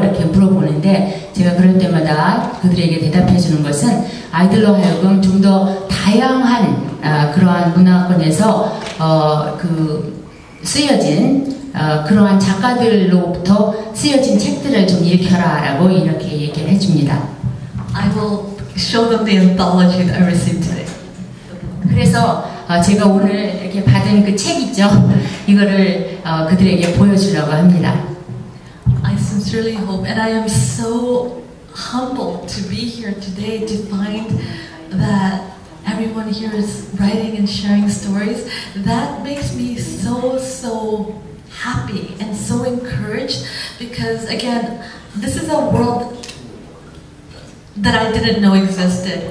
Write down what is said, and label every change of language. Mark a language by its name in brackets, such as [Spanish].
[Korean] 이렇게 물어보는데 제가 그럴 때마다 그들에게 대답해 주는 것은 아이들로 하여금 좀 더 다양한 그러한 문화권에서 그 쓰여진 그러한 작가들로부터 쓰여진 책들을 좀 읽혀라라고 이렇게 얘기를 해줍니다. [English] I will show them the anthology that I received today. [Korean] 그래서 제가 오늘 이렇게 받은 그 책 있죠? 이거를 그들에게 보여주려고 합니다. [English] I sincerely hope, and I am so humbled to be here today to find that everyone here is writing and sharing stories. That makes me so, so happy and so encouraged because, again, this is a world that I didn't know existed.